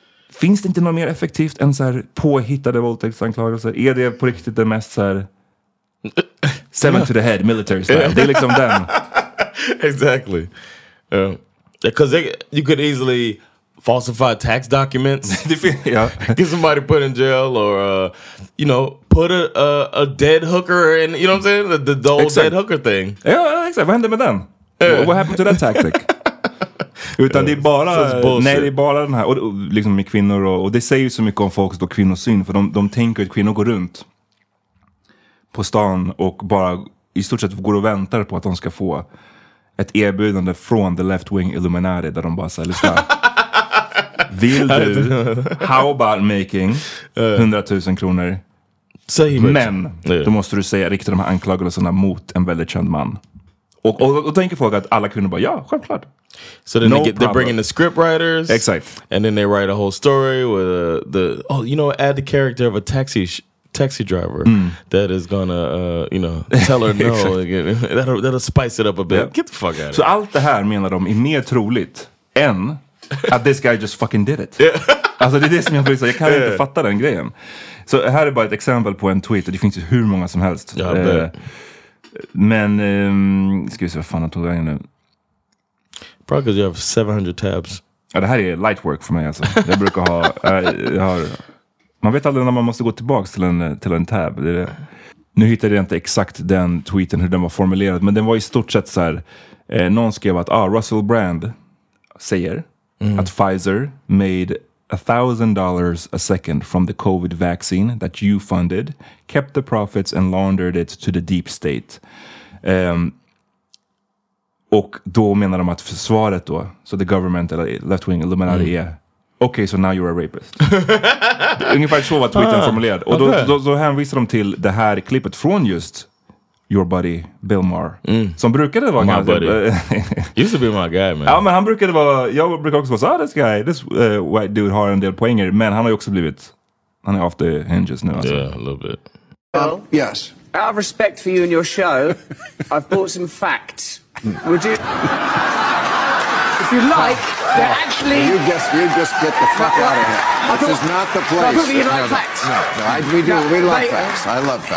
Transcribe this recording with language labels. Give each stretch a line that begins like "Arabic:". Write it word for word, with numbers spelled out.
Swedish: Finns det inte något mer effektivt än så här påhittade våldtäktsanklagelser? Är det på riktigt det mest så här
English: seven to the head military style?
Swedish: Det är liksom den.
English: Exactly. Because um, you could easily falsify tax documents. yeah. Get somebody put in jail or, uh, you know, put a, a, a dead hooker in, you know what I'm saying? The, the, the old exact. dead hooker thing.
Swedish: Ja, exakt. Vad hände med den?
English: Yeah. What happened to that tactic?
Swedish: Utan det är bara nej, det är bara den här och, och liksom med kvinnor och, och det säger ju så mycket om folks då kvinnosyn för de, de tänker att kvinnor går runt på stan och bara i stort sett går och väntar på att de ska få ett erbjudande från
English: the left wing Illuminati
Swedish: där de bara säger lyssna vill du
English: how about making
Swedish: hundratusen kronor men då måste du säga rikta de här anklagelserna mot en väldigt känd man. Och, och, och tänker folk att alla kvinnor bara, ja, självklart.
English: So then no they get, they bring in the script writers.
Swedish: Exakt.
English: And then they write a whole story with uh, the, oh, you know, add the character of a taxi sh- taxi driver mm. that is gonna, uh, you know, tell her no. that'll, that'll spice it up a bit. Yep. Get the fuck out of so it.
Swedish: Så allt det här menar de är mer troligt än att
English: this guy just fucking did it. Yeah.
Swedish: Alltså det är det som jag vill säga, jag kan
English: yeah.
Swedish: inte fatta den grejen. Så här är bara ett exempel på en tweet och det finns ju hur många som helst. Ja, yeah, uh, Men, um, ska vi se vad fan jag tog vägen nu.
English: Probably because you have seven hundred tabs.
Swedish: Ja, det här är
English: light work
Swedish: för mig alltså. Jag brukar ha, äh, jag har, man vet aldrig när man måste gå tillbaka till en, till en tab. Det är det. Nu hittade jag inte exakt den tweeten, hur den var formulerad. Men den var i stort sett så här. Eh, någon skrev att ah, Russell Brand säger mm. att
English: Pfizer made a thousand dollars a second from the COVID vaccine that you funded, kept the profits and laundered it to the deep state.
Swedish: Um, och då menar de att försvaret då, så
English: the government
Swedish: eller
English: left-wing Illuminati
Swedish: mm. är,
English: okay, so now you're a rapist.
Swedish: Ungefär så var tweeten ah, formulerad. Och då,
English: okay.
Swedish: då, då hänvisar de till det här klippet från
English: just your buddy
Swedish: Bill Maher mm. som brukade vara
English: my
Swedish: ganska,
English: buddy used to be my guy man.
Swedish: Ja men han brukade vara jag brukar också vara så ah,
English: this guy this uh, white dude
Swedish: har en del poänger men han har ju också blivit han är
English: off the hinges
Swedish: nu alltså.
English: Yeah, a little bit. Well, yes. Out of respect for you and your show, I've brought some facts. Would you if you like, they're actually... You just, you just get the fuck out of here. I this is not the place. I thought you like facts. No, no, I, we do. No, we love mate, facts. I love facts.